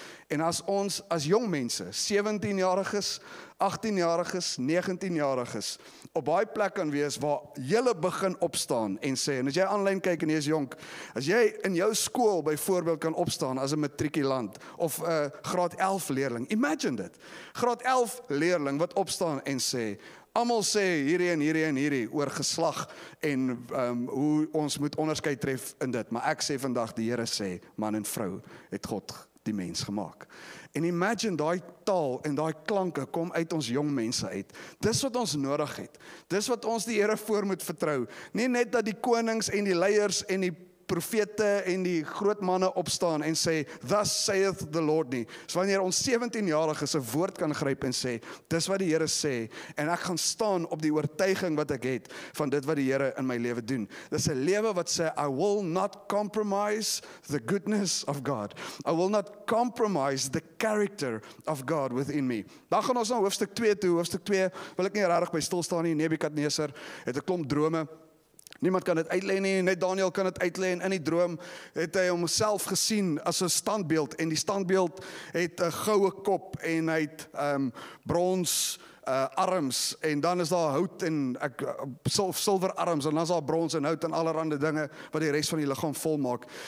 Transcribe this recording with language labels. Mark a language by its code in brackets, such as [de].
[af] En as ons as jong mense, 17-jariges, 18-jariges, 19-jariges, op baie plek kan wees waar jylle begin opstaan en sê, en as jy online kyk en jy is jonk, as jy in jou skool byvoorbeeld kan opstaan as 'n matrikulant of 'n graad 11 leerling, imagine dit, graad 11 leerling wat opstaan en sê, almal sê hierdie en hierdie en hierdie oor geslag en hoe ons moet onderskeid tref in dit, maar ek sê vandag, die Here sê, man en vrou het God die mens gemaak. En imagine daai taal en daai klanke kom uit ons jong mense uit. Dis wat ons nodig het. Dis wat ons die Here voor moet vertrou. Nie net dat die konings en die leiers en die profete en die groot manne opstaan en sê, [en] thus saith the Lord [af] nie. So wanneer ons 17-jariges een woord kan gryp en sê, dis wat die Here sê, en ek gaan staan op die oortuiging wat ek het, van dit wat die Here in my lewe doen. Dis een lewe wat sê, [en] I will not compromise the goodness of God. I will not compromise the character of God within me. [af] Dan gaan ons na hoofdstuk 2 toe. Hoofdstuk 2 wil ek nie rarig by stilstaan nie. Nebukadneser het 'n klomp drome. Niemand kan het uitleen nie, net Daniel kan het uitleen. In die droom het hy homself gesien as 'n standbeeld, en die standbeeld het 'n goue kop, en hy het brons arms, en dan is daar hout en silver arms, en dan is daar brons en hout en allerhande dinge wat die rest van die lichaam vol maak.